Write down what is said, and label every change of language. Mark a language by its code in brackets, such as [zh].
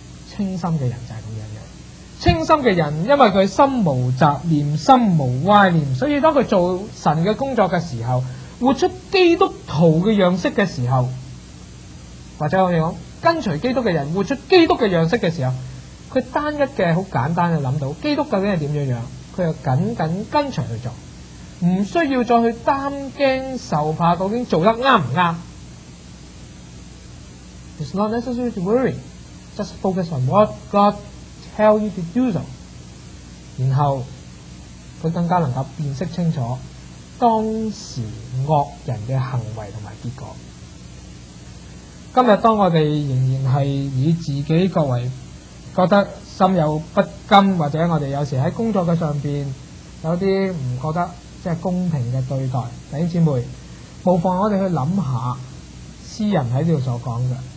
[zh] 清心的人就是这样，清心的人因为他心无杂念，心无歪念，所以当他做神的工作的时候，活出基督徒的样式的时候，或者我们说跟随基督的人活出基督的样式的时候，他单一的很简单地想到基督究竟是怎样样，他就紧紧跟随去做，不需要再去担惊受怕究竟做得啱唔啱。 [en] It's not necessary to worry. Just focus on what God tell you to do so. [zh] 然后他更加能够辨识清楚当时恶人的行为和结果。今天当我们仍然是以自己各位觉得心有不甘，或者我们有时在工作的上面有些不觉得即是公平的对待，弟兄姊妹，无妨我们去想一下诗人在这里所讲的，